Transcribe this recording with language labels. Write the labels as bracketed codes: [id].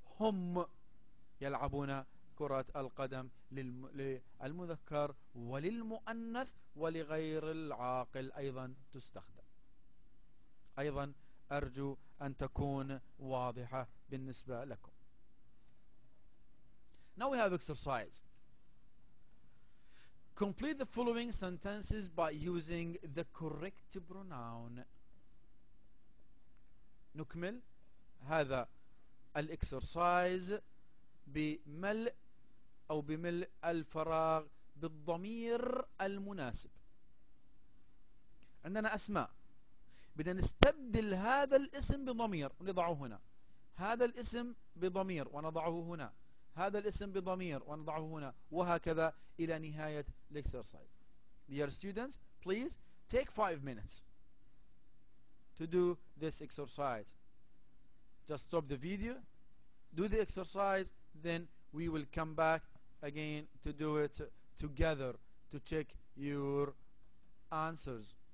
[ar] هم يلعبون كرة القدم للمذكر وللمؤنث ولغير العاقل أيضا تستخدم. أيضا أرجو أن تكون واضحة بالنسبة لكم. [en] Now we have exercise. Complete the following sentences by using the correct pronoun. [ar] نكمل هذا الإكسرسايز بملء أو بملء الفراغ بالضمير المناسب. عندنا أسماء، بدنا نستبدل هذا الاسم بضمير ونضعه هنا، هذا الاسم بضمير ونضعه هنا، هذا الاسم بضمير ونضعه هنا، وهكذا إلى نهاية الإكسرسايز. [en] Dear students, please take 5 minutes to do this exercise. Just stop the video, do the exercise, then we will come back again to do it together to check your answers.